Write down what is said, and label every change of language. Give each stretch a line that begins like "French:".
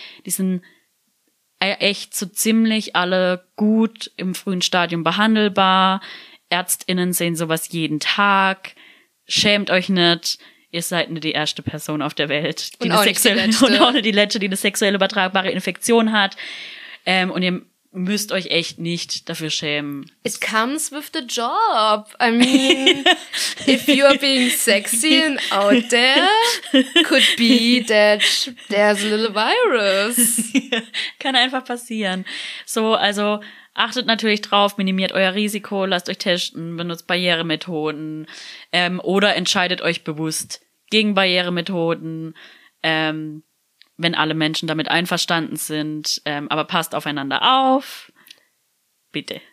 German: Die sind echt so ziemlich alle gut im frühen Stadium behandelbar. ÄrztInnen sehen sowas jeden Tag. Schämt euch nicht. Ihr seid nicht die erste Person auf der Welt, die eine sexuell übertragbare Infektion hat. Und ihr müsst euch echt nicht dafür schämen.
English: It comes with the job. I mean, if you're being sexy and out there, could be that there's a little virus.
German: Kann einfach passieren. So, also achtet natürlich drauf, minimiert euer Risiko, lasst euch testen, benutzt Barrieremethoden oder entscheidet euch bewusst gegen Barrieremethoden, wenn alle Menschen damit einverstanden sind, aber passt aufeinander auf, bitte.